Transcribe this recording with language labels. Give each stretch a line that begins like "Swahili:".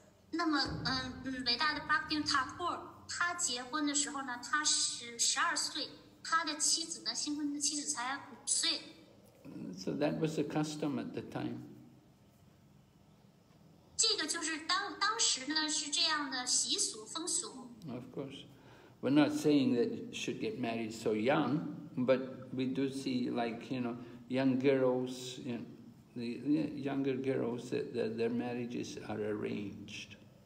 Chinese: 那么伟大的 Bhaktivinoda Thakur, 他结婚的时候呢他是12岁，他的妻子呢新婚的妻子才5岁。
English: So that was the custom at the time.
Chinese: 这个就是是这样的习俗风俗。
English: Of course, we're not saying that you should get married so young, but we do see, like, you know, young girls, you know, the younger girls, that their marriages are arranged.